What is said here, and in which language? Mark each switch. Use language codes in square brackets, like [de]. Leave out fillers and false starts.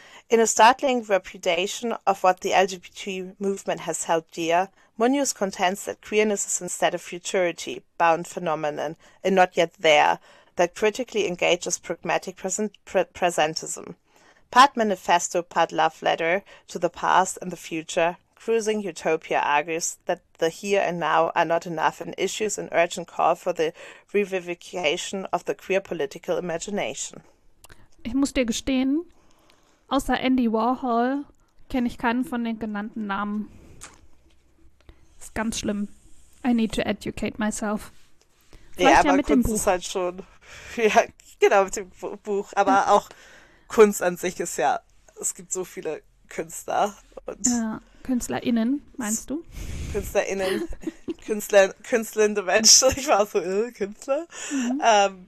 [en] In a startling repudiation of what the LGBT movement has held dear, Muñoz contends that queerness is instead a futurity-bound phenomenon and not yet there, that critically engages pragmatic presentism. Part manifesto, part love letter to the past and the future, Cruising Utopia argues that the here and now are not enough and issues an urgent call for the revivification of the queer political imagination. [de] Ich muss dir gestehen, außer Andy Warhol kenne ich keinen von den genannten Namen. Ist ganz schlimm. [en] I need to educate myself. [de] Vielleicht ja, aber mit Kunst dem ist halt schon, ja, genau, mit dem Buch, aber auch Kunst an sich ist ja, es gibt so viele Künstler. Und ja, KünstlerInnen, meinst du? KünstlerInnen, Künstler, künstlernde Menschen, ich war so, Künstler, mhm.